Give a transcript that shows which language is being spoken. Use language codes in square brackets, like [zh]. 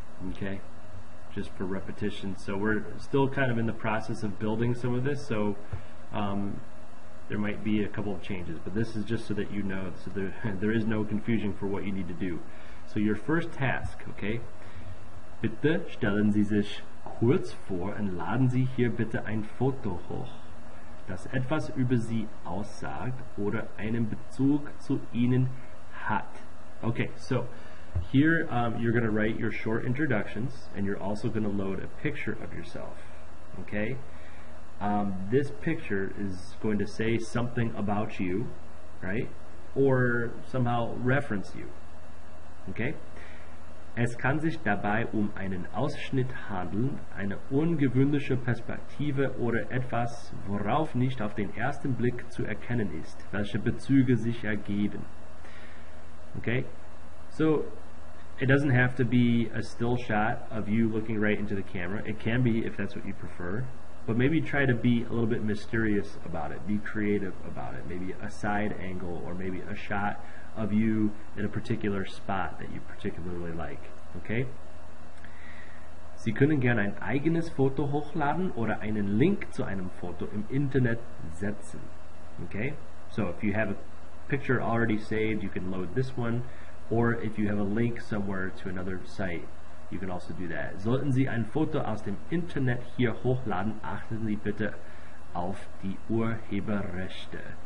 [en] Okay. Just for repetition. So we're still kind of in the process of building some of this, so there might be a couple of changes, but this is just so that you know, so there is no confusion for what you need to do. So your first task, okay? [de] Bitte stellen Sie sich kurz vor und laden Sie hier bitte ein Foto hoch, das etwas über Sie aussagt oder einen Bezug zu Ihnen hat. [en] Okay, so here you're going to write your short introductions, and you're also going to load a picture of yourself. Okay, this picture is going to say something about you, right? Or somehow reference you. Okay? [de] Es kann sich dabei um einen Ausschnitt handeln, eine ungewöhnliche Perspektive oder etwas, worauf nicht auf den ersten Blick zu erkennen ist, welche Bezüge sich ergeben. [en] Okay, so it doesn't have to be a still shot of you looking right into the camera. It can be if that's what you prefer, but maybe try to be a little bit mysterious about it, be creative about it, maybe a side angle or maybe a shot of you in a particular spot that you particularly like, okay? [de] Sie können gerne ein eigenes Foto hochladen oder einen Link zu einem Foto im Internet setzen, okay? [en] So if you have a picture already saved, you can load this one, or if you have a link somewhere to another site, you can also do that. [de] Sollten Sie ein Foto aus dem Internet hier hochladen, achten Sie bitte auf die Urheberrechte.